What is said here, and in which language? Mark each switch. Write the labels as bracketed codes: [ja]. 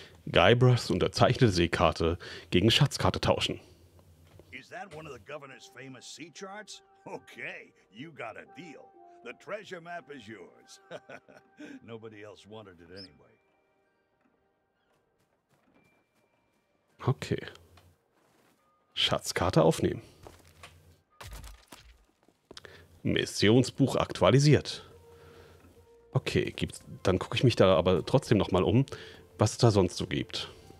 [de] Guybrushs unterzeichnete Seekarte gegen Schatzkarte tauschen. [en] Is that one of the governor's famous sea charts? Okay, you got a deal. The treasure map is yours. Nobody else wanted it anyway. Okay. [de] Schatzkarte aufnehmen. Missionsbuch aktualisiert. Okay, dann gucke ich mich da aber trotzdem nochmal um, was es da sonst so gibt.